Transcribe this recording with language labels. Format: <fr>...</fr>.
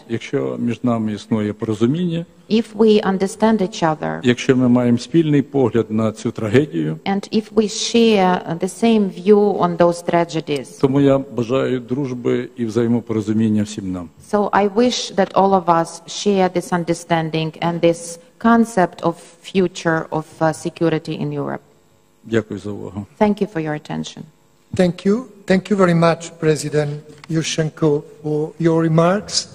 <uk>Якщо між нами існує порозуміння,</uk> <en>if we understand each other,</en> <uk>якщо ми маємо спільний погляд на цю трагедію,</uk> <en>and if we share the same view on those tragedies,</en> <uk>тому я бажаю дружби і взаємопорозуміння всім нам.</uk> <en>So I wish that all of us share this understanding and this concept of future of security in Europe.</en> <uk>Дякую за увагу.</uk> <en>Thank you for your attention. Thank you. Thank you very much, President Yushchenko, for your remarks.</en>